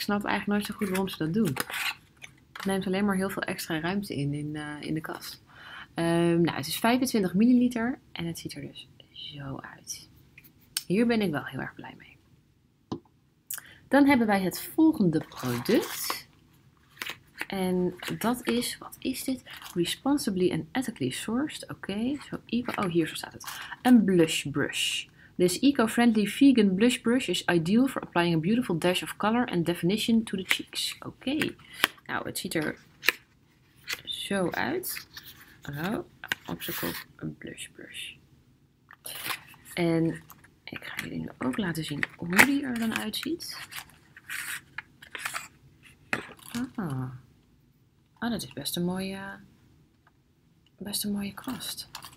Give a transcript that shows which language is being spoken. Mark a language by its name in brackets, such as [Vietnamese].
[Dutch] Ik snap eigenlijk nooit zo goed waarom ze dat doen. Het neemt alleen maar heel veel extra ruimte in de kast. Het is 25 milliliter en het ziet er dus zo uit. Hier ben ik wel heel erg blij mee. Dan hebben wij het volgende product. En dat is, wat is dit? [English] Responsibly and ethically sourced. [Dutch] Hier staat het. Een blush brush. [English] This eco-friendly vegan blush brush is ideal for applying a beautiful dash of color and definition to the cheeks. [Dutch] Oké, het ziet er zo uit. Oh, op z'n kop een blush brush. En ik ga jullie nu ook laten zien hoe die er dan uitziet. Dat is best een mooie kwast.